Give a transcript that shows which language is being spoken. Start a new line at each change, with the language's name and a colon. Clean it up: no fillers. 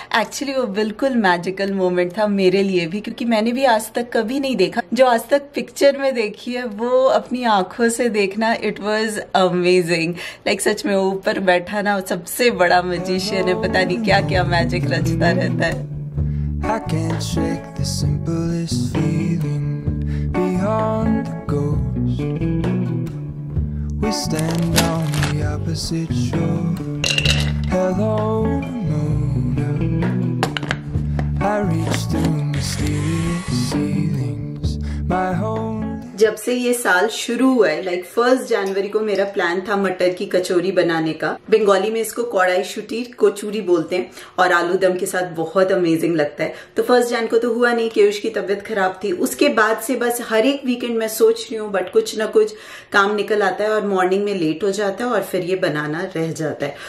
Hindi: Actually वो बिल्कुल magical moment था मेरे लिए भी, क्योंकि मैंने भी आज तक कभी नहीं देखा। जो आज तक पिक्चर में देखी है वो अपनी आंखों से देखना,
English: It was amazing.
Hindi: Like such में ऊपर बैठा ना सबसे बड़ा मैजिशियन है, पता नहीं क्या क्या मैजिक रचता रहता है।
English: I can't shake the simplest feeling beyond the ghost. We stand on the opposite shore. Hello, Mona. I reach through mysterious ceilings. My home.
Hindi: जब से ये साल शुरू हुआ है, लाइक 1 जनवरी को मेरा प्लान था मटर की कचौरी बनाने का। बंगाली में इसको कौड़ाई शुटी कोचूरी बोलते हैं और आलू दम के साथ बहुत अमेजिंग लगता है। तो 1 जनवरी को तो हुआ नहीं, केयूष की तबीयत खराब थी। उसके बाद से बस हर एक वीकेंड मैं सोच रही हूँ, बट कुछ ना कुछ काम निकल आता है और मॉर्निंग में लेट हो जाता है और फिर ये बनाना रह जाता है।